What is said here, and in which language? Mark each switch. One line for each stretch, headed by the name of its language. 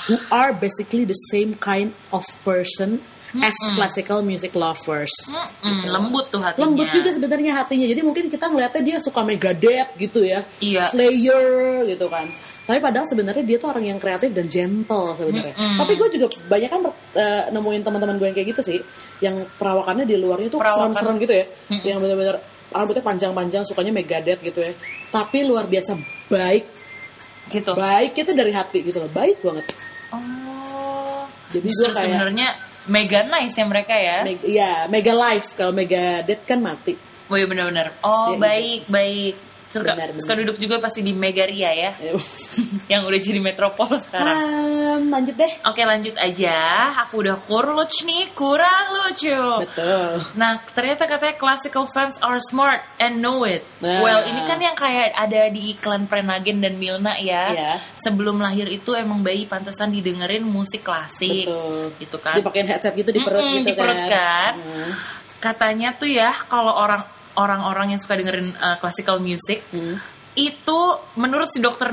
English: Who are basically the same kind of person as classical music lovers.
Indonesian: Gitu. Lembut tuh hatinya. Lembut juga sebenarnya hatinya. Jadi mungkin kita ngeliatnya dia suka Megadeth gitu ya. Iya. Slayer gitu kan. Tapi padahal sebenarnya dia tuh orang yang kreatif dan gentle sebenarnya. Tapi gue juga banyak kan nemuin teman-teman gue yang kayak gitu sih, yang perawakannya di luarnya tuh serem-serem gitu ya. Yang benar-benar rambutnya panjang-panjang, sukanya Megadeth gitu ya. Tapi luar biasa baik gitu. Baik itu dari hati gitu loh. Baik banget. Oh. Jadi gue kayak sebenarnya mega nice ya mereka ya. Iya, mega life. Kalau mega dead kan mati. Oh iya benar-benar. Oh ya, baik, ya. Baik. Suka, benar-benar. Suka duduk juga pasti di Megaria ya. Yang udah jadi metropol sekarang. Lanjut deh. Oke lanjut aja. Aku udah kurluc nih, kurang lucu. Betul. Nah ternyata katanya
English: classical fans are smart and know it.
Indonesian: Nah. Well ini kan yang kayak ada di iklan Prenagen dan Milna ya.
English: Yeah.
Indonesian: Sebelum lahir itu emang bayi pantesan didengerin musik klasik. Betul. Gitu kan. Dipakein headset gitu di perut gitu di perut kan. Katanya tuh ya kalau orang-orang yang suka dengerin classical music itu menurut si Dr.